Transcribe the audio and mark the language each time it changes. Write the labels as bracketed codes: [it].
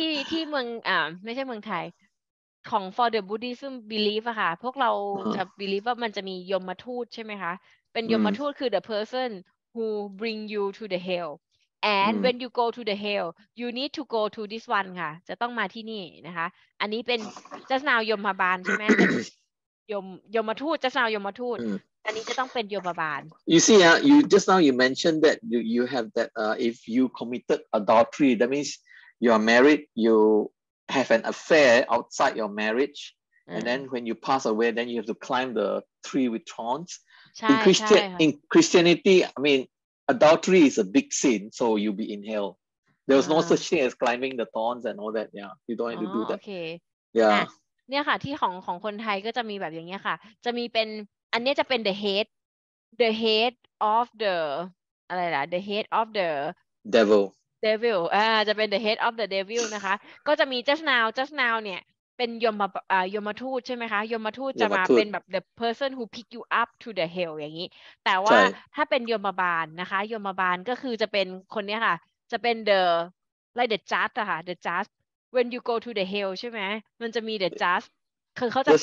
[th] ที่เมืองไม่ใช่เมืองไทยของ for the Buddhism belief ค่ะพวกเราจะ believe ว่ามันจะมียมทูตใช่ไหมคะเป็นยมทูตคือ [en] the person who bring you to the hell [th] and when you go to the hell you need to go to this one ค่ะจะต้องมาที่นี่นะคะอันนี้เป็น just now ยมบาลใช่ไหมยมทูต just now ยมทูตอันนี้จะต้องเป็นยมบาล [en] you see you just now you mentioned that you have that if you committed adultery that means you are married you have an affair outside your marriage and then when you pass away then you have to climb the tree with thorns in Christianity I meanAdultery is a big sin, so you'll be in hell. There's no such thing as climbing the thorns and all that. Yeah, you don't have to do that. Okay. Yeah. [th] เนี่ยค่ะที่ของคนไทยก็จะมีแบบอย่างเงี้ยค่ะจะมีเป็นอันนี้จะเป็น the head of the อะไรล่ะ the head of the [en] devil [th] จะเป็น the head of the devil นะคะก็จะมี just now เนี่ยเป็นยมทูตใช่ไหมคะยมทูตจะมาเป็นแบบ [en] the person who pick you up to the hell [th] อย่างนี้แต่ว่าถ้าเป็นยมบาลนะคะยมบาลก็คือจะเป็นคนนี้ค่ะจะเป็น the like the judge ค่ะ the judge when you go to the hell ใช่ไหมมันจะมี the judge คือเขาจะ